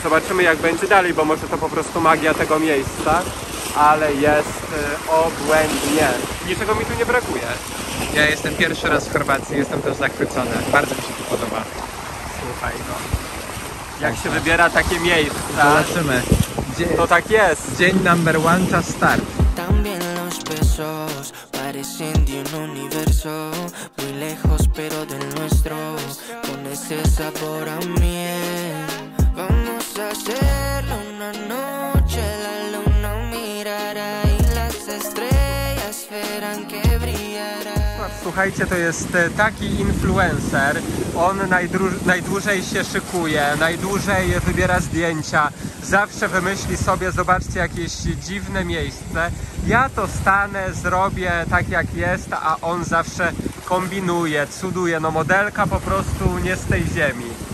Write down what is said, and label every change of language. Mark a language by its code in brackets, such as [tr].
[pl] Zobaczymy, jak będzie dalej, bo może to po prostu magia tego miejsca, ale jest obłędnie. Niczego mi tu nie brakuje. Ja jestem pierwszy raz w Chorwacji, jestem też zachwycony. Bardzo mi się to podoba. Słuchaj, no. Jak się wybiera takie miejsca... Zobaczymy. To tak jest. Dzień [en] number one to start. [es] También los besos parecen de un universo. Muy lejos pero del nuestro. Con ese sabor a miel. Vamos a hacerlo una noche. La luna mirará y las estrellas verán que brillará. [pl] Słuchajcie, to jest taki influencer, on najdłużej się szykuje, najdłużej wybiera zdjęcia, zawsze wymyśli sobie, zobaczcie, jakieś dziwne miejsce. Ja to stanę, zrobię tak jak jest, a on zawsze kombinuje, cuduje, no modelka po prostu nie z tej ziemi.